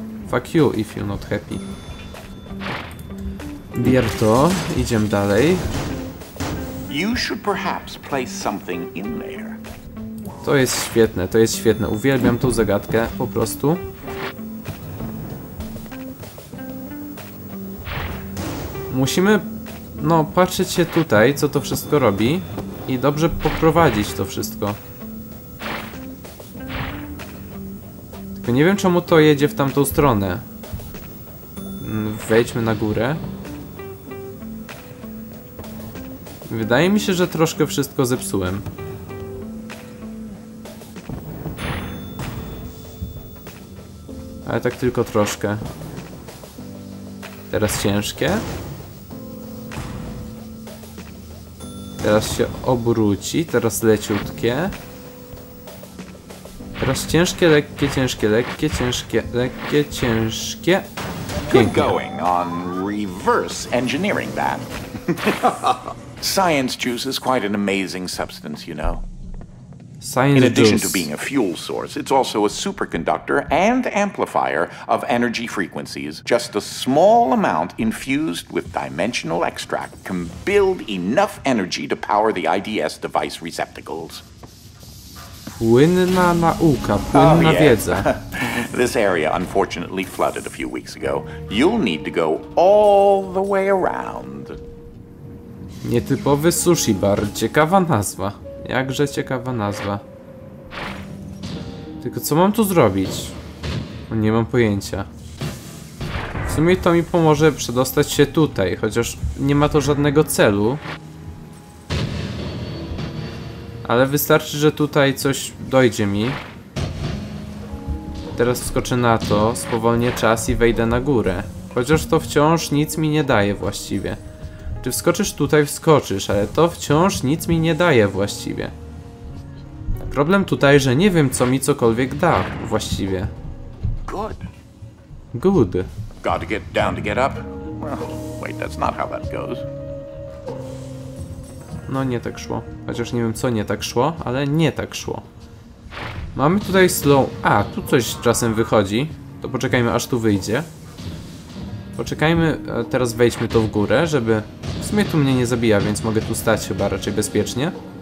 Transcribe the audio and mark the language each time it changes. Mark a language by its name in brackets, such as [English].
[English] Fuck you if you're not happy. [Polish] Bier to, idziemy dalej. [English] You should perhaps place something in there. [Polish] To jest świetne, to jest świetne. Uwielbiam tą zagadkę, po prostu. musimy, no, patrzeć się tutaj, co to wszystko robi i dobrze poprowadzić to wszystko. Tylko nie wiem, czemu to jedzie w tamtą stronę. Wejdźmy na górę. Wydaje mi się, że troszkę wszystko zepsułem. Ale tak tylko troszkę. Teraz ciężkie. Teraz się obróci, teraz leciutkie. Teraz ciężkie, lekkie, ciężkie, lekkie, ciężkie, lekkie, ciężkie. [English] Good going on reverse engineering that. Science juice is quite an amazing substance, you know. Science in addition juice. To being a fuel source, it's also a superconductor and amplifier of energy frequencies. Just a small amount infused with dimensional extract can build enough energy to power the IDS device receptacles. [Polish] Płynna nauka, płynna wiedza. [English] This area unfortunately flooded a few weeks ago. You'll need to go all the way around. [Polish] Nietypowy sushi bar, ciekawa nazwa. Jakże ciekawa nazwa. Tylko co mam tu zrobić? Nie mam pojęcia. W sumie to mi pomoże przedostać się tutaj, chociaż nie ma to żadnego celu. Ale wystarczy, że tutaj coś dojdzie mi. Teraz wskoczę na to, spowolnię czas i wejdę na górę. Chociaż to wciąż nic mi nie daje właściwie. Czy wskoczysz tutaj, wskoczysz, ale to wciąż nic mi nie daje właściwie. Problem tutaj, że nie wiem, co mi cokolwiek da właściwie. [English] Good. Good. Gotta get down to get up. Well, wait, that's not how that goes. [Polish] No nie tak szło. Chociaż nie wiem, co nie tak szło, ale nie tak szło. Mamy tutaj slow. A, tu coś czasem wychodzi. To poczekajmy, aż tu wyjdzie. Poczekajmy, teraz wejdźmy tu w górę, żeby... W sumie tu mnie nie zabija, więc mogę tu stać chyba raczej bezpiecznie.